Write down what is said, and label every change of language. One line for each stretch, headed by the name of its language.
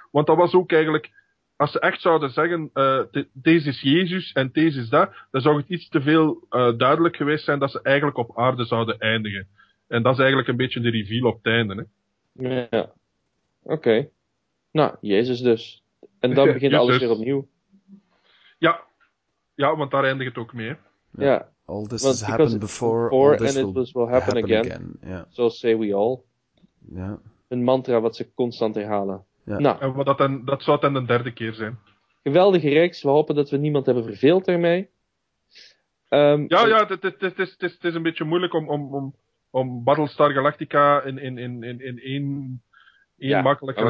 Dutch: Want dat was ook eigenlijk... Als ze echt zouden zeggen, deze is Jezus en deze is dat, dan zou het iets te veel duidelijk geweest zijn dat ze eigenlijk op aarde zouden eindigen. En dat is eigenlijk een beetje de reveal op het einde. Hè? Ja. Oké. Okay. Nou, Jezus dus. En dan begint alles weer opnieuw. Ja. Ja, want daar eindigt het ook mee. Ja. Yeah.
English: All this has happened before and it will happen again. Yeah. So say we all.
Dutch: Ja. Een mantra wat ze constant herhalen. Ja. Nou. En dat zou dan de derde keer zijn. geweldige reeks. We hopen dat we niemand hebben verveeld daarmee. Het is een beetje moeilijk om Battlestar Galactica in één makkelijke